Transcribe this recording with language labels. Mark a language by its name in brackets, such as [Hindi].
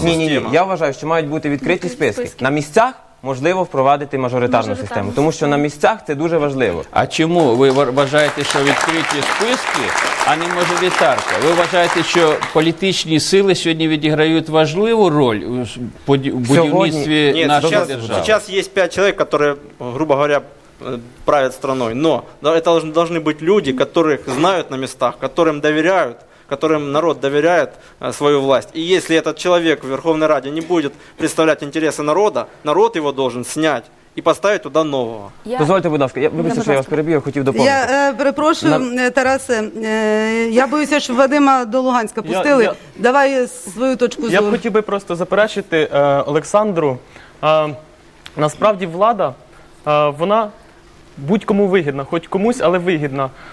[Ukrainian] Ні, я вважаю, що мають бути відкриті списки. На місцях можливо впровадити мажоритарну систему, тому що на місцях це дуже важливо. А чому ви вважаєте, що відкриті списки, а не мажоритарка? Ви вважаєте, що політичні сили сьогодні відіграють важливу роль у будівництві нашої держави? Зараз є 5 чоловік, які, [Russian] грубо говоря, [Ukrainian] правлять країною, [Russian] но это должны быть люди, которых знают на местах, которым доверяют, которым народ доверяет свою власть. И если этот человек в Верховной Раде не будет представлять интересы народа, народ его должен снять [Ukrainian] і поставити туди нового. Дозвольте, будь ласка, вибачте, що я вас переб'ю, хотів доповнити. Я перепрошую, Тарасе, я боюся, що Вадима до Луганська пустили. Давай свою точку зору. Я хотів би просто заперечити Олександру. Насправді влада, вона будь-кому вигідна, хоч комусь, але вигідна.